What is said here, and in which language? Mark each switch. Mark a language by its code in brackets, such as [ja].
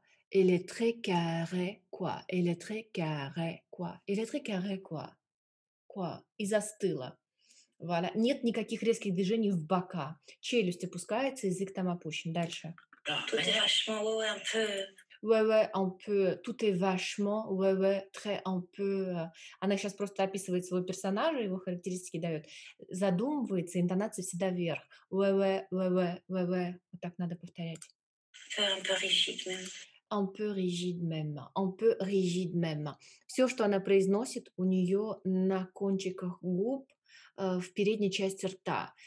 [fr] Elle est très carré, quoi. Elle est très carré, quoi. Elle est très carré, quoi. [ru] Quoi. И застыла. [fr] Voilà. [ru] Нет никаких резких движений в бока. Челюсть опускается, язык там опущен. Дальше. [fr] Tout est vachement, ouais, un peu. Ouais, ouais, un peu. Tout est vachement, ouais, ouais, très, un peu. [ru] Она сейчас просто описывает своего персонажа, его характеристики дает. Задумывается, интонация всегда вверх. [fr] Ouais, ouais, ouais, ouais, ouais, ouais. [ru] Вот так надо повторять. [fr] Un peu rigide, même. Un peu rigide même. Un peu rigide même. [ru] Все, что она произносит, у нее на кончиках губ, в передней части рта.